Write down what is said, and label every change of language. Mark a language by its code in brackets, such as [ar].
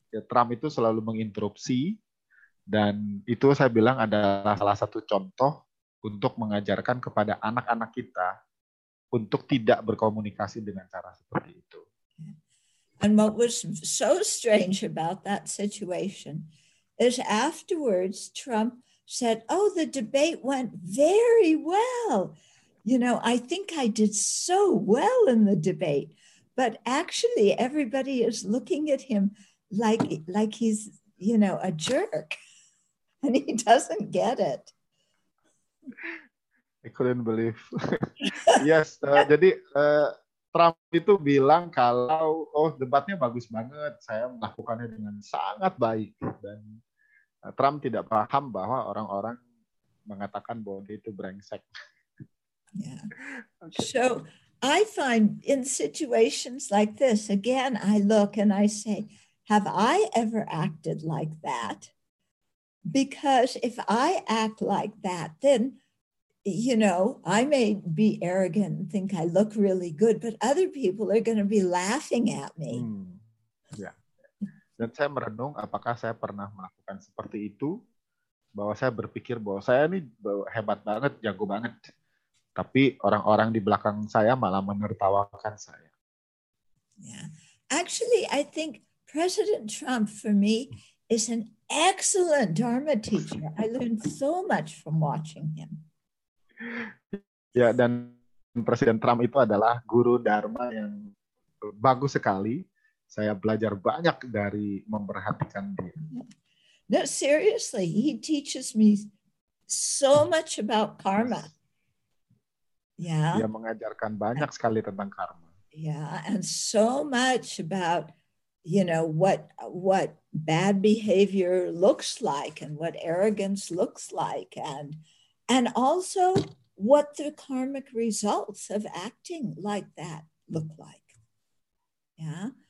[id] Trump itu selalu menginterupsi dan itu saya bilang adalah salah satu contoh untuk mengajarkan kepada anak-anak kita untuk tidak berkomunikasi dengan cara seperti itu. [en] And what was so strange about that situation is afterwards Trump said, "Oh, the debate went very well. You know, I think I did so well in the debate." But actually, everybody is looking at him like he's, you know, a jerk, and he doesn't get it. I couldn't believe. [id] Yes, jadi Trump itu bilang kalau debatnya bagus banget, saya melakukannya dengan sangat baik, dan Trump tidak paham bahwa orang-orang mengatakan bahwa dia itu brengsek. [en] Yeah. Okay. So I find in situations like this, again, I look and I say, have I ever acted like that? Because if I act like that, then, you know, I may be arrogant and think I look really good, but other people are going to be laughing at me. Yeah. [id] Dan saya merenung apakah saya pernah melakukan seperti itu, bahwa saya berpikir bahwa saya ini hebat banget, jago banget. Tapi orang-orang di belakang saya malah menertawakan saya. [en] Yeah. Actually, I think President Trump for me is an excellent Dharma teacher. I learned so much from watching him. [id] Ya, dan Presiden Trump itu adalah guru Dharma yang bagus sekali. Saya belajar banyak dari memperhatikan dia. [en] No, seriously, he teaches me so much about karma. Yeah. [id] Dia mengajarkan banyak sekali tentang karma. [en] Yeah, and so much about, you know, what bad behavior looks like and what arrogance looks like and also what the karmic results of acting like that look like. Yeah.